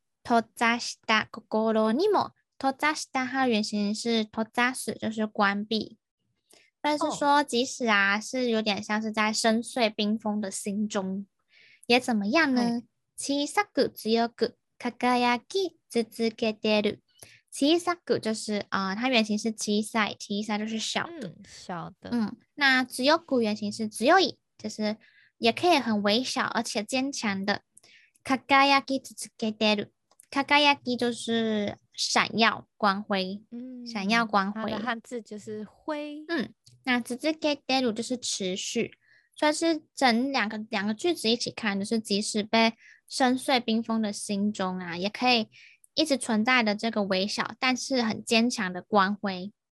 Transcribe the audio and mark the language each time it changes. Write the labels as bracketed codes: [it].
[ja] 閉ざした心にも。閉ざした [zh] 它的原型是 [ja] 閉ざす， [zh] 就是关闭，但是说即使啊、是有点像是在深邃冰封的心中也怎么样呢、 [ja] 小さく強く輝き続けてる。小さく [zh] 就是它原型是 [ja] 小さい， [zh] 小さい就是小的、小的。那 [ja] 強く [zh] 原型是 [ja] 強い， [zh] 就是也可以很微小而且坚强的。 [ja] 輝き続けてる， [zh] Kagayaki 就是闪耀光辉，闪耀光辉。它的汉字就是辉。那 Tsukedeiru 就是持续，所以是整两个句子一起看，就是即使被深邃冰封的心中啊，也可以一直存在的这个微小但是很坚强的光辉。